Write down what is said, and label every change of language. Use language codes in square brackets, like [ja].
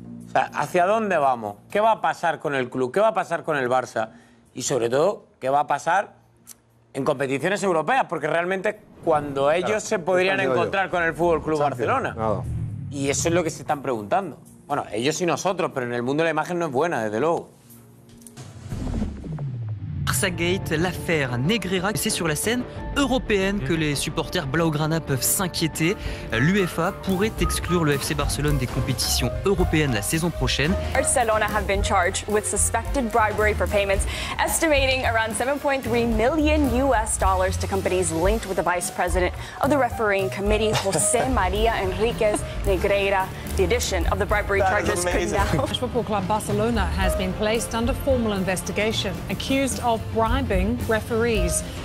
[es] O sea, ¿hacia dónde vamos? ¿Qué va a pasar con el club? ¿Qué va a pasar con el Barça? Y sobre todo, ¿qué va a pasar en competiciones europeas? Porque realmente cuando ellos, claro, se podrían encontrar con el FC Barcelona. Nada. Y eso es lo que se están preguntando. Bueno, ellos y nosotros, pero en el mundo la imagen no es buena, desde luego. [fr] Barça Gate, l'affaire Negreira, c'est sur la scène européenne que les supporters Blaugrana peuvent s'inquiéter. L'UEFA pourrait exclure le FC Barcelone des compétitions européennes la saison prochaine. [en] Barcelona have been charged with suspected bribery for payments, estimating around 7.3 million US dollars to companies linked with the vice president of the refereeing committee, José María Enríquez Negreira. The addition of the bribery that charges could now. Football club Barcelona has been placed under formal investigation, accused of bribing referees.